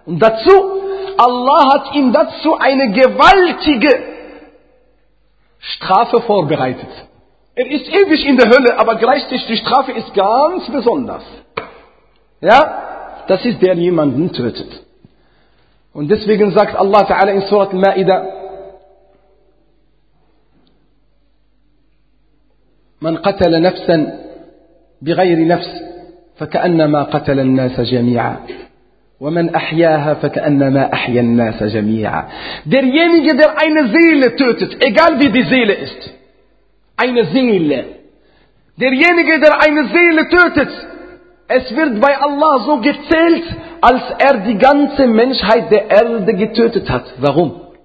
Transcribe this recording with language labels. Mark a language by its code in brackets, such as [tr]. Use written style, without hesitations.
[de] Und dazu, Allah hat ihm dazu eine gewaltige Strafe vorbereitet. Er ist ewig in der Hölle, aber gleichzeitig die Strafe ist ganz besonders. Ja? Das ist der, der jemanden tötet. Und deswegen sagt Allah Ta'ala in Surat Al-Ma'idah: [ar] مَنْ قَتَلَ نَفْسًا بِغَيْرِ نَفْسٍ فكأنما قتل الناس جميعا ومن أحياها فكأنما أحيا الناس جميعا. [de] Derjenige, der eine Seele tötet, egal wie die Seele ist, eine Seele. Derjenige, der eine Seele tötet, es wird bei Allah so gezählt, als er die ganze Menschheit der Erde getötet hat. Warum?